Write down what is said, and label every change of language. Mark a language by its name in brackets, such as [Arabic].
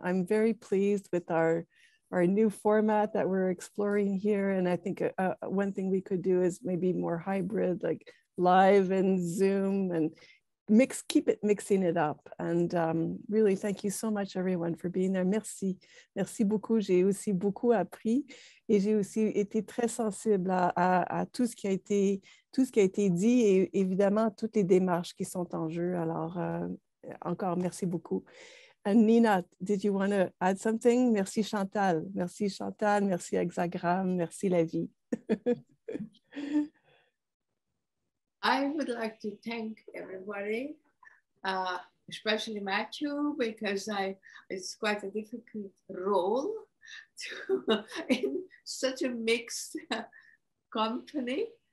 [English] I'm very pleased with our new format that we're exploring here. And I think one thing we could do is maybe more hybrid, like live and Zoom, and keep mixing it up. And really, thank you so much, everyone, for being there. [French] Merci. Merci beaucoup. J'ai aussi beaucoup appris. Et j'ai aussi été très sensible à tout ce qui a été dit et évidemment toutes les démarches qui sont en jeu. Alors, encore merci beaucoup. [English] And Nina, did you want to add something? [French] Merci Chantal. Merci Chantal. Merci Hexagram. Merci la vie. [English] I would like to thank everybody, especially Matthew, because it's quite a difficult role in such a mixed company.